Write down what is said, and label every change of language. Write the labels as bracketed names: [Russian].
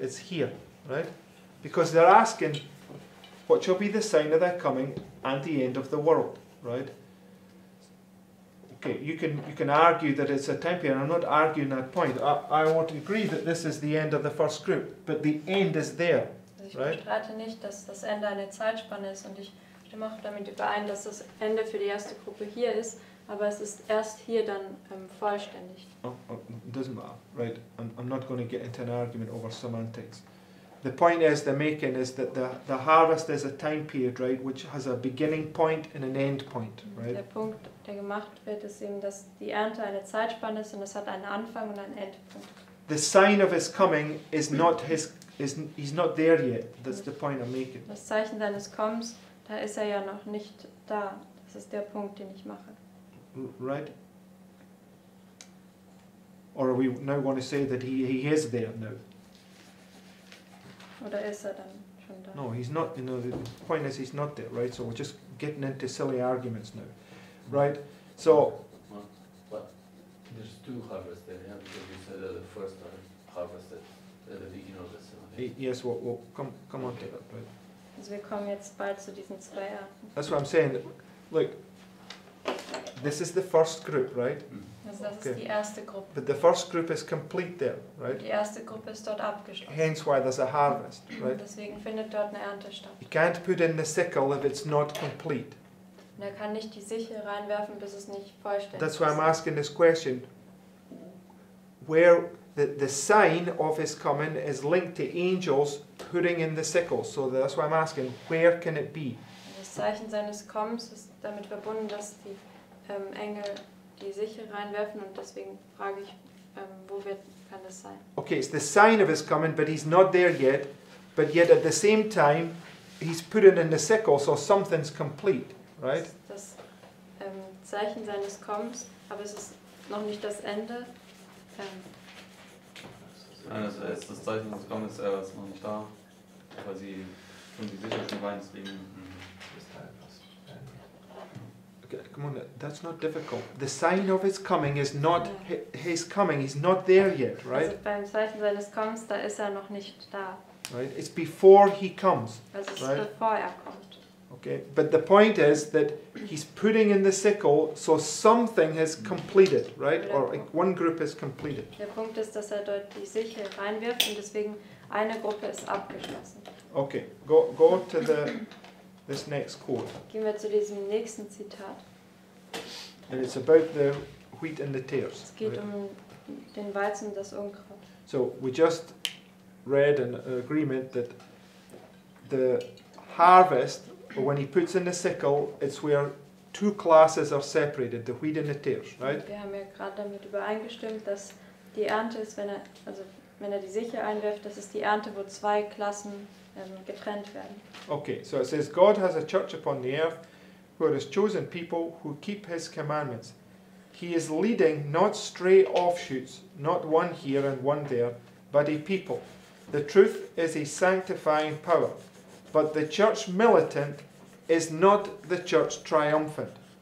[English] It's here, right? Because they're asking, what shall be the sign of their coming and the end of the world, right? Okay, you can argue that it's a time period. I'm not arguing that point. I want to agree that this is the end of the first group, but the end is there. [German] Ich bestreite nicht, dass das Ende eine Zeitspanne ist und ich stimme auch damit überein, dass das Ende für die erste Gruppe hier ist, aber es ist erst hier dann vollständig. [English] It doesn't matter, right? I'm not going to get into an argument over semantics. The point is they're making is that the harvest is a time period, right, which has a beginning point and an end point, right? [German] Der Punkt, der gemacht wird, ist eben, dass die Ernte eine Zeitspanne ist und es hat einen Anfang und einen Endpunkt. [English] The sign of his coming is not his he's not there yet. That's the point I'm making. [German] Das Zeichen seines Kommens, da ist er ja noch nicht da. Das ist der Punkt, den ich mache. [English] Right? Or we now want to say that he is there now. [German] Oder ist er dann schon da? [English] No, he's not, you know, the point is he's not there, right? So we're just getting into silly arguments now. Right? So there's two harvests there, yeah, because you said that the first are harvested at the beginning of the summer. Yes, we'll come on to that, right? [German] Also wir kommen jetzt bald zu diesen zwei Arten. [English] That's what I'm saying. Look, this is the first group, right? [German] Okay. Die erste Gruppe. [English] But the first group is complete there, right? [German] Die erste Gruppe ist dort abgeschlossen. [English] Hence why there's a harvest, right? [German] Deswegen findet dort eine Ernte statt. [English] You can't put in the sickle if it's not complete. [German] Und er kann nicht die Sichel reinwerfen, bis es nicht vollständig ist. [English] That's why I'm asking this question. Where the sign of his coming is linked to angels putting in the sickle. So that's why I'm asking, where can it be? [German] Das Zeichen seines Kommens ist damit verbunden, dass die Engel die Sichel reinwerfen, und deswegen frage ich, wo wird, kann das sein? [English] Okay, it's the sign of his coming, but he's not there yet. But yet at the same time, he's putting in the sickle, so something's complete, right? [German] Das Zeichen seines Kommens, aber es ist noch nicht das Ende. Also das Zeichen seines Kommens ist noch nicht da, weil sie schon die Sichel schon reinlegen. [English] Come on, that's not difficult. The sign of his coming is not his coming. He's not there yet, right? [German] Also beim Zeichen seines Kommens, da ist er noch nicht da. [English] Right? It's before he comes. [German] Also es [English] right? [German] ist bevor er kommt. [English] Okay, but the point is that he's putting in the sickle, so something has completed, right? Oder or like one group has completed. [German] Der Punkt ist, dass er dort die Sichel reinwirft, und deswegen eine Gruppe ist abgeschlossen. [English] Okay, go to the... This next quote. [German] Gehen wir zu diesem nächsten Zitat. [English] And it's about the wheat and the tares. [German] Es geht um den Weizen und das Unkraut. [English] So we just read an agreement that the harvest, when he puts in the sickle, it's where two classes are separated, the wheat and the tares, right? [German] Wir haben ja gerade damit übereingestimmt, dass die Ernte ist, wenn er die Sichel einwirft, das ist die Ernte, wo zwei Klassen getrennt werden. [English] Okay, so it says, God has a church upon the earth who are his chosen people who keep his commandments. He is leading not stray offshoots, not one here and one there, but a people. The truth is a sanctifying power, but the church militant is not the church triumphant.